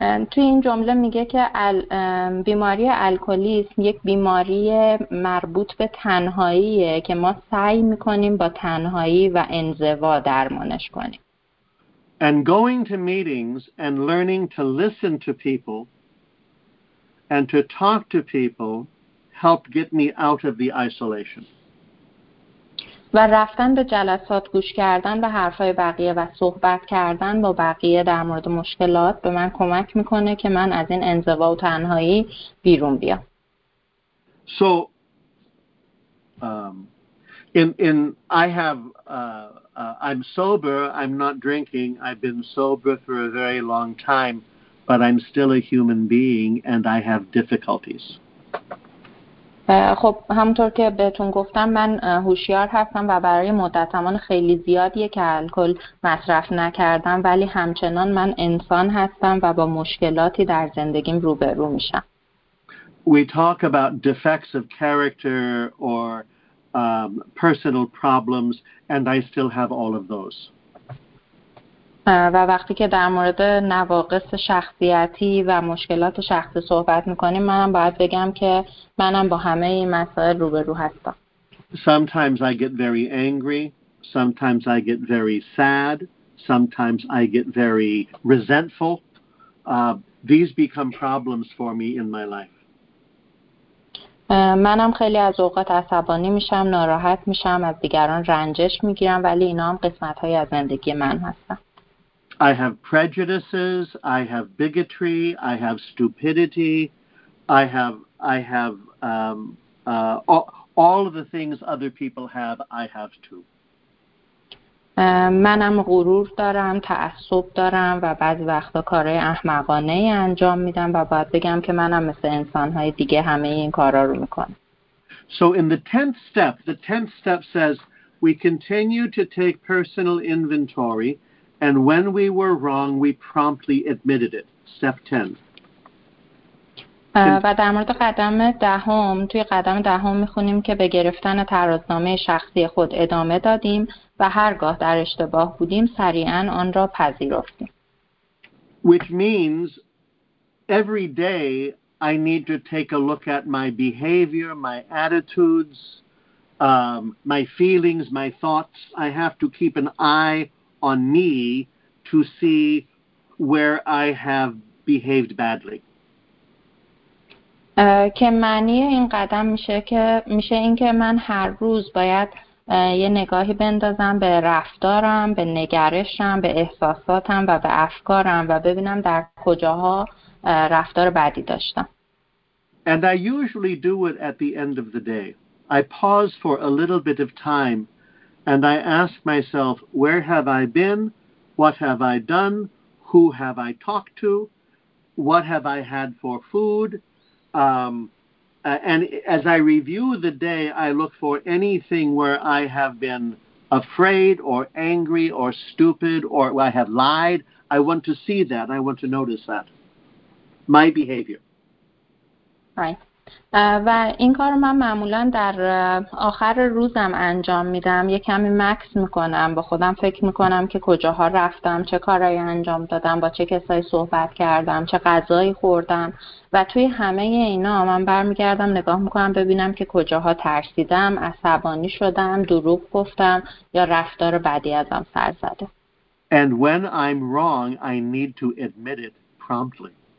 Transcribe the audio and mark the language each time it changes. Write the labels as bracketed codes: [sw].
[fa] توی این جمله میگه که بیماری الکلیسم یک بیماری مربوط به تنهاییه که ما سعی میکنیم با تنهایی و انزوا درمانش کنیم. [en] And going to meetings and learning to listen to people and to talk to people helped get me out of the isolation. [fa] و رفتن به جلسات، گوش کردن به حرفای بقیه و صحبت کردن با بقیه در مورد مشکلات به من کمک میکنه که من از این انزوا و تنهایی بیرون بیام. [en] So in I have I'm sober, I'm not drinking, I've been sober for a very long time, but I'm still a human being and I have difficulties. [fa] خب همونطور که بهتون گفتم من هوشیار هستم و برای مدت زمان خیلی زیادیه که الکل مصرف نکردم، ولی همچنان من انسان هستم و با مشکلاتی در زندگیم روبرو میشم. [en] We talk about defects of character or personal problems and I still have all of those. [fa] و وقتی که در مورد نواقص شخصیتی و مشکلات شخصی صحبت میکنیم منم باید بگم که منم با همه این مسائل روبرو هستم. [en] Sometimes I get very angry, sometimes I get very sad, sometimes I get very resentful, these become problems for me in my life. [fa] منم خیلی از اوقات عصبانی میشم، ناراحت میشم، از دیگران رنجش میگیرم، ولی اینا هم قسمت‌های از زندگی من هستن. [en] I have prejudices, I have bigotry, I have stupidity, all of the things other people have, I have too. [fa] منم غرور دارم، تعصب دارم و بعضی وقتا کارهای احمقانه ای انجام میدم و باید بگم که منم مثل انسانهای دیگه همه این کارا رو میکنم. [en] So in the 10th step, the 10th step says we continue to take personal inventory and when we were wrong we promptly admitted it. Step 10. [fa] و در مورد قدم دهم، توی قدم دهم می‌خونیم که به گرفتن ترازنامه شخصی خود ادامه دادیم و هرگاه در اشتباه بودیم سریعاً آن را پذیرفتیم. [en] Which means every day I need to take a look at my behavior, my attitudes, my feelings, my thoughts. I have to keep an eye on me to see where I have behaved badly. [fa] که معنی این قدم میشه که میشه اینکه من هر روز باید یه نگاهی بندازم به رفتارم، به نگرشم، به احساساتم و به افکارم و ببینم در کجاها رفتار بدی داشتم. [en] And I usually do it at the end of the day. I pause for a little bit of time and I ask myself, where have I been? What have I done? Who have I talked to? What have I had for food? And as I review the day, I look for anything where I have been afraid or angry or stupid or I have lied. I want to see that. I want to notice that. My behavior. Right. [fa] و این کار رو من معمولا در آخر روزم انجام میدم. یه کمی مکس میکنم، با خودم فکر میکنم که کجاها رفتم، چه کارهایی انجام دادم، با چه کسایی صحبت کردم، چه غذایی خوردم و توی همه اینا من برمیگردم نگاه میکنم ببینم که کجاها ترسیدم، عصبانی شدم، دروغ گفتم یا رفتار بدی ازم سر زده. [en] And when I'm wrong, I need to admit it promptly.